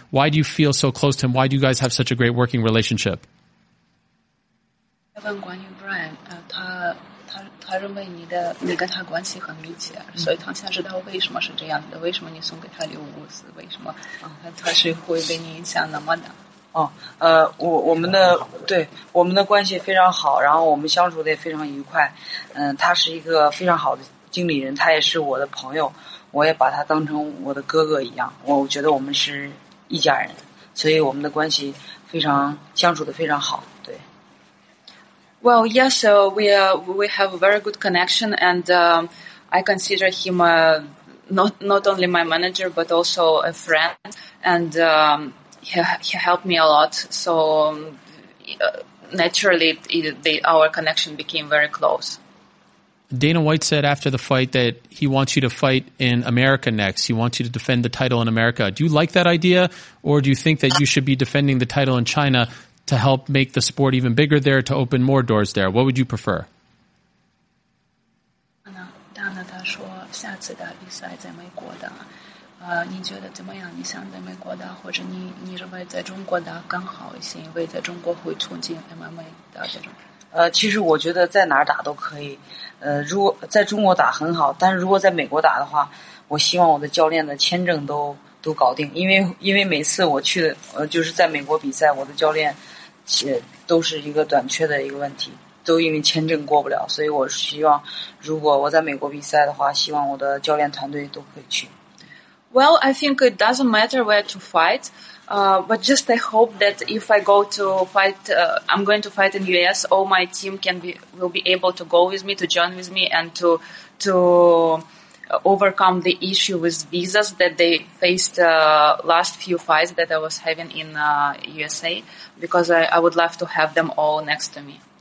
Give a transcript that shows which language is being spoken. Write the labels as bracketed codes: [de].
[en] Why do you feel so close to him? Why do you guys have such a great working relationship? I want to ask you, Brian. He thinks you and him are very close. So he wants to know why it's like this. Why did you give him a gift? Why is he going to affect you so much? [zh] 我们的关系非常好，然后我们相处的也非常愉快。他是一个非常好的经理人，他也是我的朋友，我也把他当成我的哥哥一样。我觉得我们是一家人，所以我们的关系非常相处的非常好。对。 [en] Well, yes, so we have a very good connection, and I consider him not only my manager but also a friend, and He helped me a lot, so naturally our connection became very close. Dana White said after the fight that he wants you to fight in America next. He wants you to defend the title in America. Do you like that idea, or do you think that you should be defending the title in China to help make the sport even bigger there, to open more doors there? What would you prefer? Dana, he said the next fight in America. [zh] 你觉得怎么样？你想在美国打，或者你认为在中国打更好一些？因为在中国会促进 MMA 的这种。其实我觉得在哪儿打都可以。如果在中国打很好，但是如果在美国打的话，我希望我的教练的签证都搞定，因为每次我去就是在美国比赛，我的教练都是一个短缺的一个问题，都因为签证过不了。所以我希望，如果我在美国比赛的话，希望我的教练团队都可以去。 [en] Well, I think it doesn't matter where to fight, but just I hope that if I go to fight, I'm going to fight in the U.S., all my team will be able to go with me, to join with me, and to overcome the issue with visas that they faced last few fights that I was having in USA, because I would love to have them all next to me.